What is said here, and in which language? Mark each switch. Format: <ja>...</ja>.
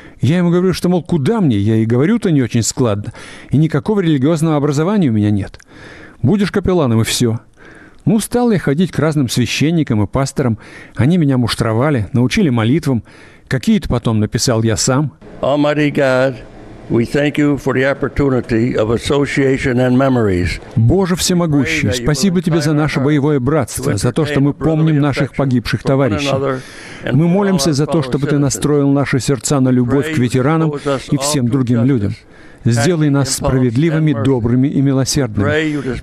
<ru>Я ему говорю, что, мол, куда мне? Я и говорю-то не очень складно. И никакого религиозного образования у меня нет. Будешь капелланом, и все». Ну, стал я ходить к разным священникам и пасторам. Они меня муштровали, научили молитвам. Какие-то потом написал я сам.</ru> <en>Almighty God, we thank you for the opportunity of association and memories.</en> <ru>Боже всемогущий, спасибо тебе за наше боевое братство, за то, что мы помним наших погибших товарищей. Мы молимся за то, чтобы ты настроил наши сердца на любовь к ветеранам и всем другим людям. Сделай нас справедливыми, добрыми и милосердными.</ru>